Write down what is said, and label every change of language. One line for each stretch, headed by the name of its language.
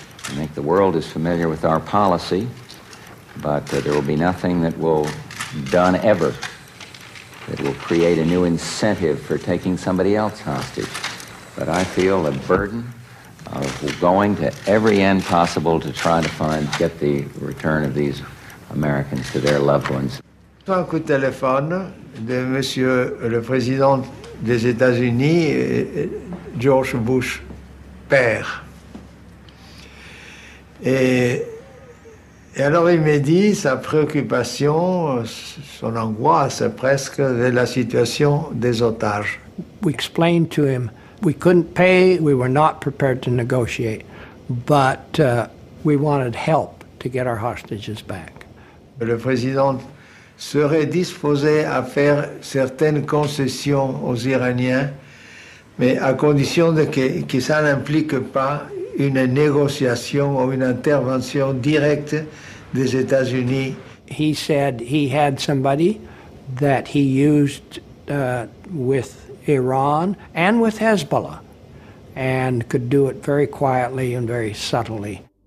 English: I think the world is familiar with our policy, but there will be nothing that will done ever that will create a new incentive for taking somebody else hostage. But I feel the burden of going to every end possible to try to find, get the return of these Americans to their loved ones.
French: Un coup de téléphone de Monsieur le Président des États-Unis, George Bush, père. Et alors il m'a dit sa préoccupation, son angoisse presque de la situation des otages.
English: We explained to him we couldn't pay, we were not prepared to negotiate, but we wanted help to get our hostages back.
French: Le président serait disposé à faire certaines concessions aux Iraniens, mais à condition de que ça n'implique pas une négociation ou une intervention directe des États-Unis.
English: he said he had somebody that he used with Iran and with Hezbollah and could do it very quietly and very subtly.